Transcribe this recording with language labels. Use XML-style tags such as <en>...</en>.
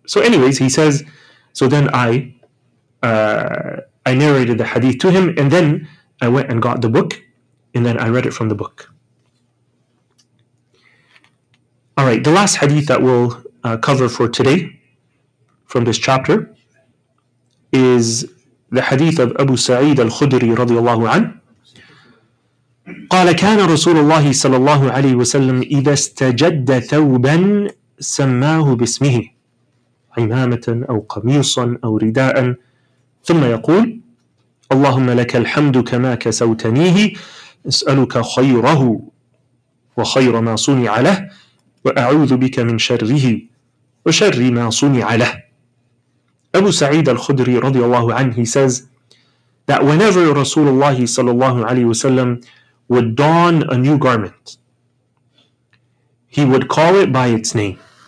<en>So anyways, he says, so then I narrated the hadith to him, and then I went and got the book, and then I read it from the book. All right, the last hadith that we'll cover for today from this chapter is the hadith of Abu Sa'id al-Khudri radiallahu anhu.</en> <ar>قال كان رسول الله صلى الله عليه وسلم إذا استجد ثوبا سماه باسمه عمامة أو قميصا أو رداء ثم يقول اللهم لك الحمد كما كسوتنيه أسألك خيره وخير ما صنع له وأعوذ بك من شره وشر ما صنع له. أبو سعيد الخدري رضي الله عنه,</ar> <en>he says that whenever Rasulullah sallallahu alayhi wa sallam would don a new garment, he would call it by its name.</en>